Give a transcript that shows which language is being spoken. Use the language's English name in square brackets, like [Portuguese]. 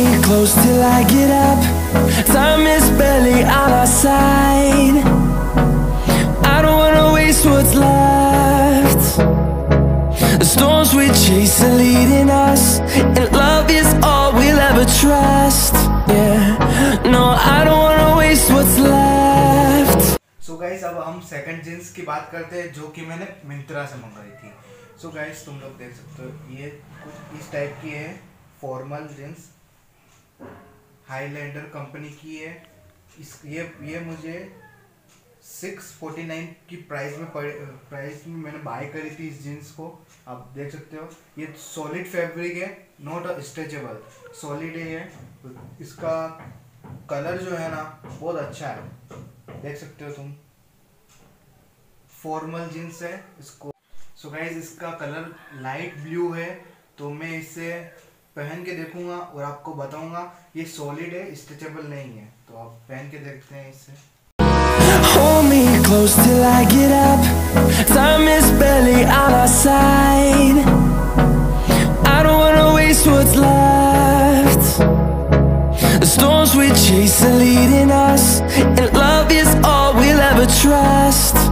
[English] Close till I get up, time is barely on our side. I don't wanna waste what's left. The storms we chase are leading us, and love is all we'll ever trust. Yeah, no, I don't wanna waste what's left. [Hindi] So guys, अब हम second jeans की बात करते हैं, जो कि मैंने Myntra से मंगाई थी। So guys, तुम लोग देख सकते हो ये कुछ इस type की है, formal jeans। हाईलैंडर कंपनी की है इस, ये मुझे 649 की प्राइस में मैंने बाय करी थी इस जींस को। आप देख सकते हो ये सॉलिड फैब्रिक है, नॉट स्ट्रेचेबल, सॉलिड है ये। इसका कलर जो है ना बहुत अच्छा है, देख सकते हो तुम, फॉर्मल जींस है इसको। सो गाइस, इसका कलर लाइट ब्लू है, तो मैं इसे पहन के देखूंगा और आपको बताऊंगा। ये सॉलिड है, स्ट्रेचेबल नहीं है, तो आप पहन के देखते हैं इसे। [English] Hold me close till I get up, time is barely on our side. I don't wanna waste what's left. The storms we chase are leading us, and love is all we'll ever trust.